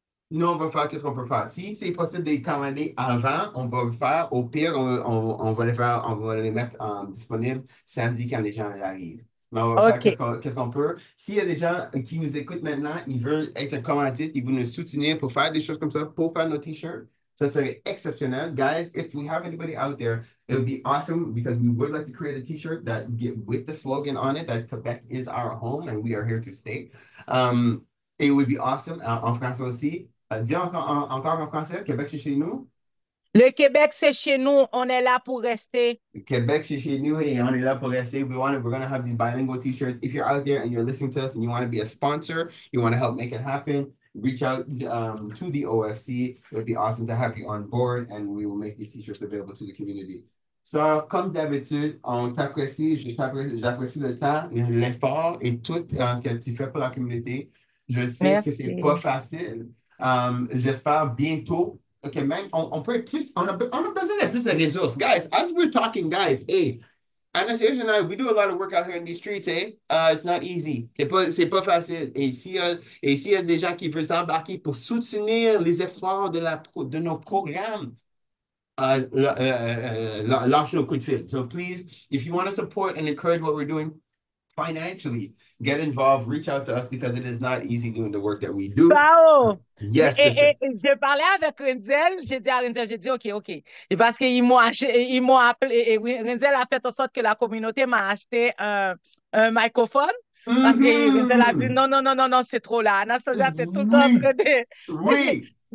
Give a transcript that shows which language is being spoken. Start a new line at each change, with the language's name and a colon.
French: Nous, on va faire qu'est-ce qu'on peut faire. Si c'est possible de les commander avant, on va le faire. Au pire, on va les faire, on va les mettre disponibles samedi quand les gens arrivent. Mais on va faire OK. qu'est-ce qu'on peut. S'il y a des gens qui nous écoutent maintenant, ils veulent être commandites, ils veulent nous soutenir pour faire des choses comme ça, pour faire nos t-shirts, ça serait exceptionnel.
English: Guys, if we have anybody out there, it would be awesome because we would like to create a t-shirt that get with the slogan on it that Quebec is our home and we are here to stay. It would be awesome.
French: En français aussi. Dis encore en français. Québec, c'est chez nous. Le Québec, c'est chez nous, on est là pour rester. Québec, c'est chez nous. Et on est là pour rester.
English: We're going to have these bilingual t-shirts. If you're out there and you're listening to us and you want to be a sponsor, you want to help make it happen, reach out to the OFC. It would be awesome to have you on board and we will make these t-shirts available to the community.
French: So, comme d'habitude, on t'apprécie. J'apprécie le temps, l'effort et tout que tu fais pour la communauté. Je sais que c'est pas Merci. facile. J'espère bientôt. Ok, même on peut être plus. On a besoin de plus de ressources, guys.
English: As we're talking, guys. Hey, Anastasia and I, we do a lot of work out here in these streets. Hey, it's not easy.
French: C'est pas facile. Et s'il y a des gens qui veulent s'embarquer pour soutenir les efforts de nos programmes, lâche nos coups de fil.
English: So please, if you want to support and encourage what we're doing financially. Get involved, reach out to us because it is not easy doing the work that we do.
French: Bao,
English: Yes, sister.
French: je parlais avec Renzel, j'ai dit à Renzel, j'ai dit OK. Et parce qu'ils m'ont appelé, et Renzel a fait en sorte que la communauté m'a acheté un microphone. Parce que Renzel a dit non, non, non, non, non, c'est trop là. Anastasia, t'es tout Oui, temps en train de.